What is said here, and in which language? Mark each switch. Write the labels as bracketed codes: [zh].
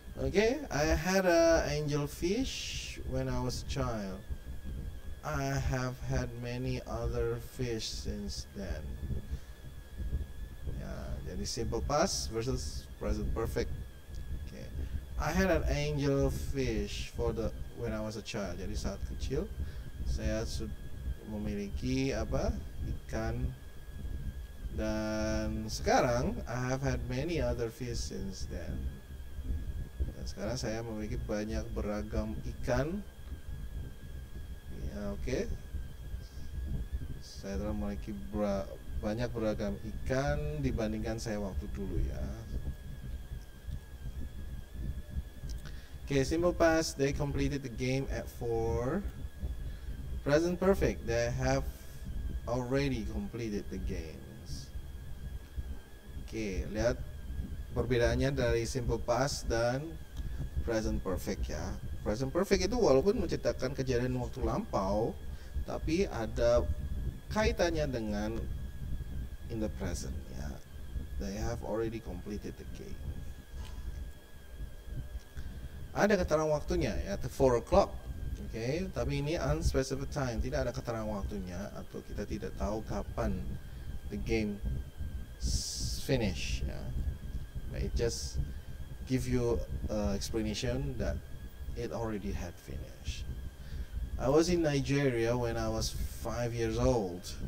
[en] Okay, I had an angel fish when I was a child. I have had many other fish since then. Jadi simple past versus present perfect. Okay. I had an angel fish for the when I was a child. [id] Jadi saat kecil saya memiliki apa? Ikan. [en] Dan sekarang I have had many other fish since then. [id] Dan sekarang saya memiliki banyak beragam ikan. Ya, oke. Saya telah memiliki banyak beragam ikan dibandingkan saya waktu dulu ya. [en] Okay, simple past, they completed the game at 4. Present perfect, they have already completed the games. [id] Okay, lihat perbedaannya dari simple past dan present perfect ya. Present perfect itu walaupun menceritakan kejadian waktu lampau, tapi ada kaitannya dengan in the present, ya. Yeah. [en] They have already completed the game. [id] Ada keterangan waktunya, ya. Yeah, 4 o'clock, okay. Tapi ini unspecified time, tidak ada keterangan waktunya atau kita tidak tahu kapan the game finish, ya. [en] Yeah. It just give you explanation that it already had finished. I was in Nigeria when I was 5 years old.